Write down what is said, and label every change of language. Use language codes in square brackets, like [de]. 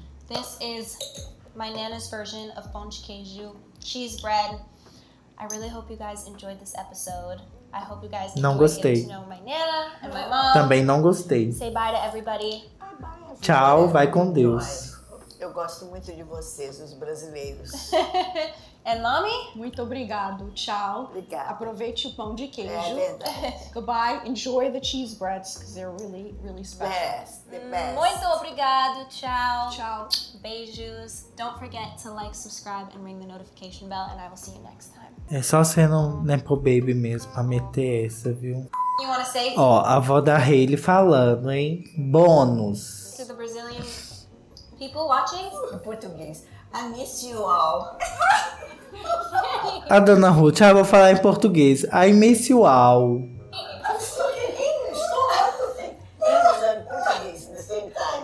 [en] This is my Nana's version of pão de queijo cheese bread. I really hope you guys enjoyed this episode. I hope you guys [pt] não gostei. [en] To know my Nana and my mom. [pt] Também não gostei. [en] Say bye to everybody. [pt] Tchau, vai com Deus. Eu gosto muito de vocês, os brasileiros. [en] And mommy? [pt] Muito obrigado. Tchau. Obrigada. Aproveite o pão de queijo. É, [en] goodbye. Enjoy the cheese breads, because they're really, really special. Best, the best. [pt] Muito obrigado. Tchau. Tchau. Beijos. [en] Don't forget to like, subscribe, and ring the notification bell, and I will see you next time. [pt] É só sendo um Nepo Baby mesmo, pra meter essa, viu? [en] You wanna say? [pt] Ó, a avó da Hayley falando, hein? Bônus. [en] To the Brazilian people watching? [pt] Em português. [en] I miss you all. [pt] A dona Ruth, eu vou falar em português. [en] I miss you all. I'm speaking English. I'm speaking English and Portuguese at the same time.